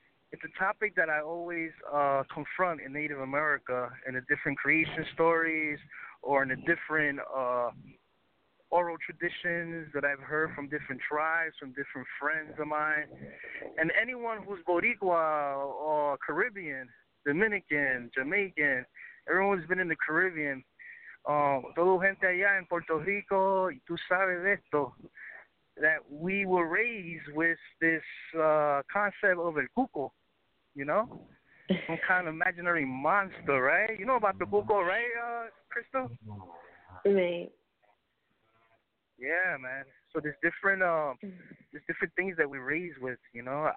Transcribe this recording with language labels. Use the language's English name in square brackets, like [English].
[English] It's a topic that I always confront in Native America in the different creation stories or in the different oral traditions that I've heard from different tribes, from different friends of mine. And anyone who's Boricua or Caribbean, Dominican, Jamaican, everyone's been in the Caribbean. [Spanish] Todo gente allá en Puerto Rico, y tú sabes de esto. [English] That we were raised with this concept of el cuco, you know? Some kind of imaginary monster, right? You know about the cuco, right, Crystal? Right. Yeah, man. So there's different things that we raised with, you know?